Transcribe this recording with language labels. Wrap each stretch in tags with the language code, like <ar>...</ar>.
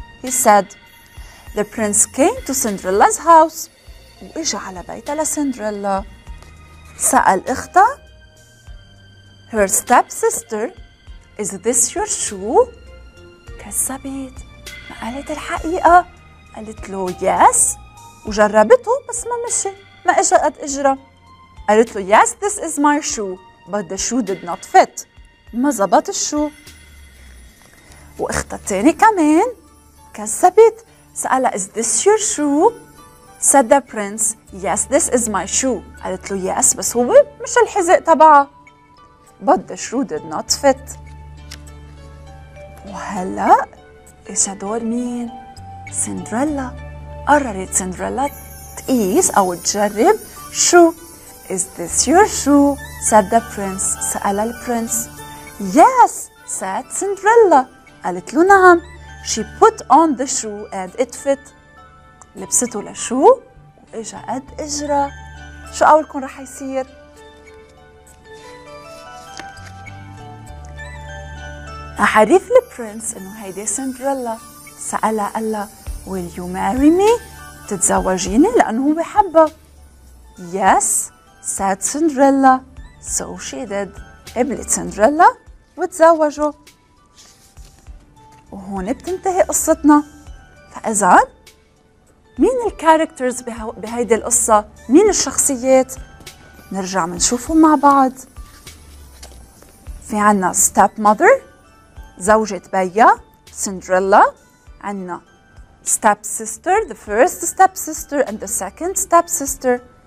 <en>He said The prince came to Cinderella's house،</en> <ar>وإجا على بيتها لسندريلا. سأل إختها</ar> <en>Her stepsister Is this your shoe؟</en> <ar>كذبت، ما قالت الحقيقة. قالت له Yes، وجربته بس ما مشي، ما اجى قد اجرى.</ar> <en>قالت له Yes, this is my shoe, but the shoe did not fit.</en> <ar>ما زبط الشو. واختها الثانية كمان كذبت.</ar> <en>سألها Is this your shoe? Said the prince Yes, this is my shoe.</en> <ar>قالت له Yes, بس هو مش الحذاء تبعها.</ar> <en>But the shoe did not fit.</en> <ar>وهلا اجى دور مين؟ سندريلا. قررت سندريلا تقيس أو تجرب شو.</ar> <en>Is this your shoe? Said the prince.</en> <ar>سألها البرنس.</ar> <en>Yes, said Cinderella.</en> <ar>قالت له نعم.</ar> <en>She put on the shoe and it fit.</en> <ar>لبسته لشو وإجا قد إجرى. شو قولكم رح يصير؟ أعرف البرنس إنه هيدي سندريلا. سألها قالها</ar> <en>Will you marry me؟</en> <ar>تتزوجيني لأنه هو بحبها.</ar> <en>Yes, said Cinderella. So she did.</en> <ar>قبلت سندريلا وتزوجوا. وهون بتنتهي قصتنا. فإذا مين الكاركترز بهيدي القصة؟ مين الشخصيات؟ نرجع منشوفهم مع بعض. في عنا ستيب ماذر، زوجة بيا سندريلا. عنا</ar> <en>stepsister, the first stepsister and the second stepsister.</en>